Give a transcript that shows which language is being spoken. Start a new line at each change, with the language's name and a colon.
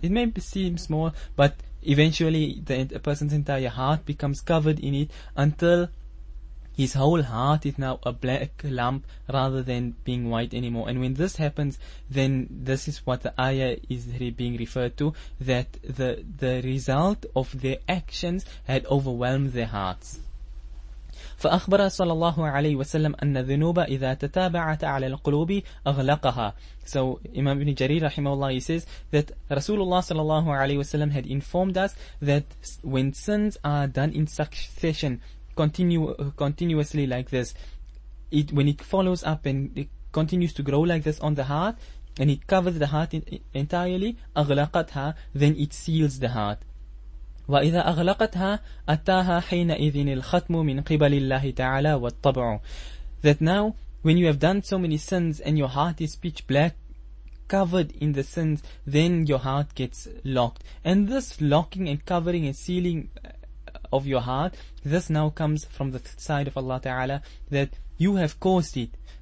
English: It may seem small, but eventually a person's entire heart becomes covered in it, until his whole heart is now a black lump rather than being white anymore. And when this happens, then this is what the ayah is being referred to, that the result of their actions had overwhelmed their hearts.
Arabic: فأخبر صلى الله عليه وسلم أن الذنوب إذا تتابعت على القلوب أغلقها.
English: So Imam Ibn Jarir rahimahullah, he says that Rasulullah صلى الله عليه وسلم had informed us that when sins are done in succession, continuously like this, when it follows up and it continues to grow like this on the heart, and it covers the heart entirely, أغلقتها, then it seals the heart.
Arabic: وإذا أغلقتها أتاها حينئذ الختم من قبل الله تعالى والطبع.
English: That now, when you have done so many sins and your heart is pitch black, covered in the sins, then your heart gets locked. And this locking and covering and sealing of your heart, this now comes from the side of Allah Ta'ala, that you have caused it.